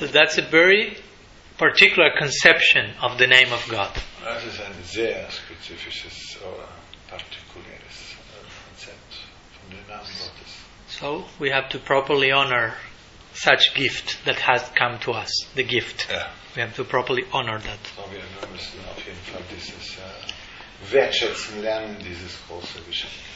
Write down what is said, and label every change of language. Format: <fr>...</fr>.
<en>So that's a very particular conception of the name of God.</en> <de>Das ist ein sehr spezifisches oder partikuläres Konzept von dem Namen Gottes.</de> <en>So we have to properly honor such gift that has come to us, the gift. Yeah. We have to properly honor that.</en> <de>So we müssen auf jeden Fall dieses wertschätzen lernen, dieses große Geschenk.</de>